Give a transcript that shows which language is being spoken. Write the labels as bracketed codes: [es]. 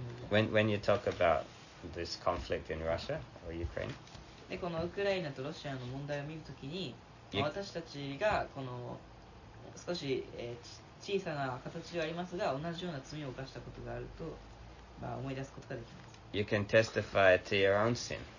[en] When you talk about this conflict in Russia or Ukraine? [ja] でこのウクライナとロシアの問題を見るときに、私たちがこの少し、小さな形ではありますが、同じような罪を犯したことがあると、まあ、思い出すことができます。 [en] You can testify to your own sin.